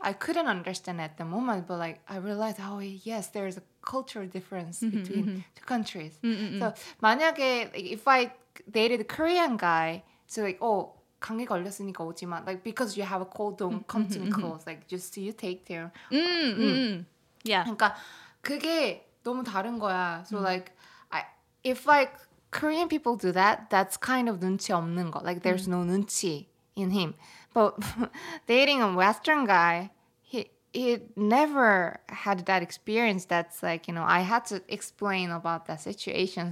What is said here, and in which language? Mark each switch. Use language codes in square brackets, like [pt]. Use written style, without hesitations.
[en] I couldn't understand at the moment, but like I realized, oh yes, there's a cultural difference between two countries. So [ko] 만약에 [en] like, if I dated a Korean guy, so like, oh, [ko] 감기 걸렸으니까 오지 마. [en] Like, because you have a cold, don't come to me close. Like, just you take care. Yeah. [ko] 그러니까 그게 너무 다른 거야. [en] So like, if like Korean people do that, that's kind of [ko] 눈치 없는 거. [en] Like, there's no 눈치 in him. But dating a Western guy, he never had that experience. That's like, you know, I had to explain about that situation.